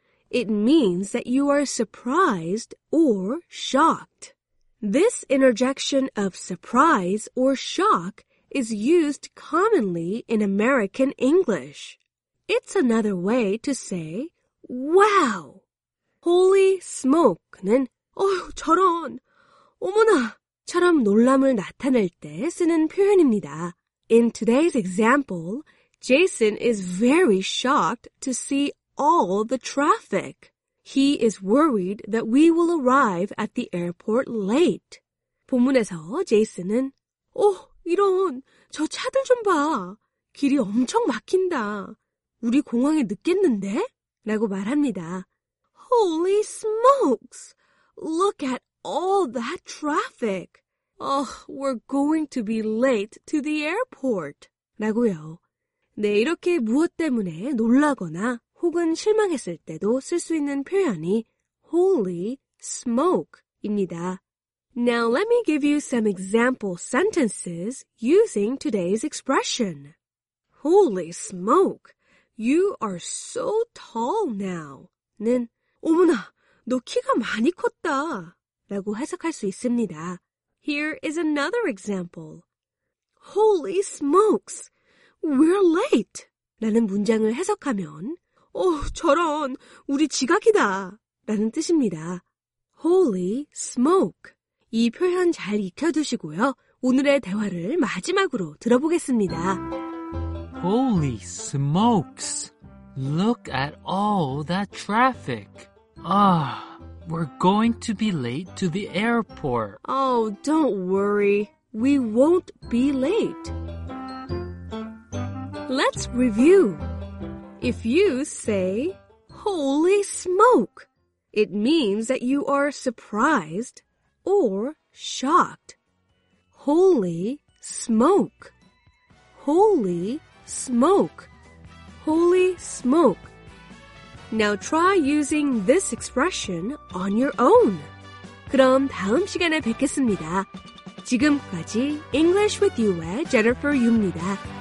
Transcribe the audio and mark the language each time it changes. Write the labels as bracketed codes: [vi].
[en] It means that you are surprised or shocked. This interjection of surprise or shock is used commonly in American English. It's another way to say, Wow! [ko] Holy smoke!는 어휴, 저런, 어머나!처럼 놀람을 나타낼 때 쓰는 표현입니다. [en] In today's example, Jason is very shocked to see all the traffic. He is worried that we will arrive at the airport late. [ko] 본문에서 제이슨은 오, 이런, 저 차들 좀 봐. 길이 엄청 막힌다. 우리 공항에 늦겠는데? 라고 말합니다. [en] Holy smokes! Look at all that traffic. Oh, we're going to be late to the airport. [ko] 라고요. 네, 이렇게 무엇 때문에 놀라거나 혹은 실망했을 때도 쓸 수 있는 표현이 holy smoke입니다. [en] Now let me give you some example sentences using today's expression. Holy smoke, you are so tall now. [ko] 는 어머나, 너 키가 많이 컸다. 라고 해석할 수 있습니다. [en] Here is another example. Holy smokes. We're late! [ko] 라는 문장을 해석하면 오, 저런, 우리 지각이다! 라는 뜻입니다. [en] Holy smoke! [ko] 이 표현 잘 익혀두시고요. 오늘의 대화를 마지막으로 들어보겠습니다. [en] Holy smokes! Look at all that traffic! Ah, we're going to be late to the airport. Oh, don't worry. We won't be late. Let's review. If you say, Holy smoke! It means that you are surprised or shocked. Holy smoke! Holy smoke! Holy smoke! Now try using this expression on your own. [ko] 그럼 다음 시간에 뵙겠습니다. 지금까지 English with You의 Jennifer Yu입니다.